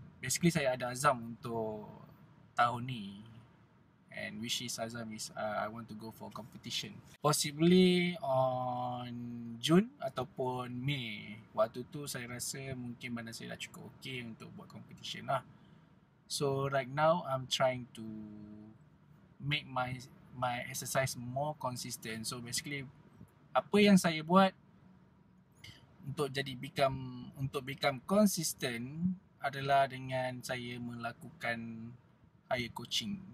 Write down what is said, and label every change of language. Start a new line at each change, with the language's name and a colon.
Malay: Basically, saya ada azam untuk tahun ni.
English: And which is azam is I want to go for competition. Possibly on
Malay: Jun ataupun Mei. Waktu tu saya rasa mungkin badan saya dah cukup okay untuk buat competition lah.
English: So right now I'm trying to make my exercise more consistent.
Malay: So basically apa yang saya buat untuk
English: become consistent
Malay: adalah dengan saya melakukan
English: higher coaching.